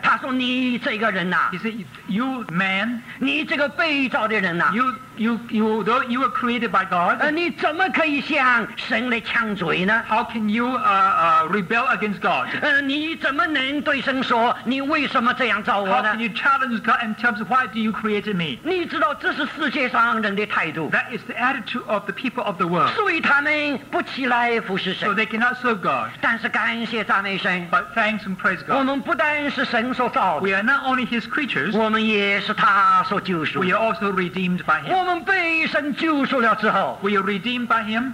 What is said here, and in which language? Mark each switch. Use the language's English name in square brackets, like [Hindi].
[Chinese] 他说你这个人呐、啊。 [English] He said you man. [Chinese] 你这个被造的人呐、啊。 [English] You were created by God. [Chinese] 你怎么可以向神来呛嘴呢 [English] ？How can you rebel against God？ [Chinese] 你怎么能对神说你为什么这样造我呢 [English] ？How can you challenge God in terms of why do you created me？ [Chinese] 你知道这是世界上人的态度。 [English] That is the attitude of the people of the world. [Chinese] 所以他们不起来服侍神。 [English] So they cannot serve God. [Chinese] 但是感谢赞美神。 [English] But thanks and praise God. [Chinese] 我们不单是神所造的。 [English] We are not only His creatures. [Chinese] 我们也是他所救赎的。 [English] We are also redeemed by Him. [Chinese] 我们被神救赎了之后 [English] ，We are redeemed by Him。